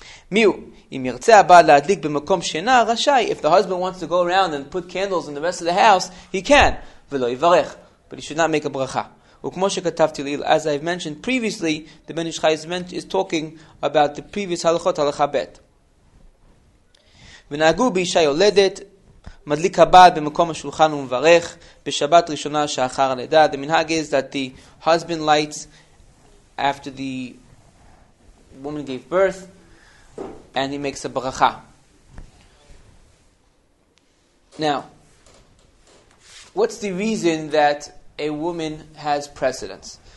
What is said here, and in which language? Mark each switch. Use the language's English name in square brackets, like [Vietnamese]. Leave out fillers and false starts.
[Hebrew] Miu, im yirtze ha'ba'al ladlik b'makom shena rashai. [English] If the husband wants to go around and put candles in the rest of the house, he can. [Hebrew] V'lo yivarech, [English] but he should not make a bracha. [Hebrew] Ukmo shekatavti li'il, [English] as I've mentioned previously, the Ben Ish Chai is talking about the previous halachot halacha bet. [Hebrew] V'nagu b'isha yoledet. מדליק הבעל במקום השולחן ומברך בשבת ראשונה שאחר הלידה. [English] The minhag is that the husband lights after the woman gave birth and he makes a bracha. Now, what's the reason that a woman has precedence?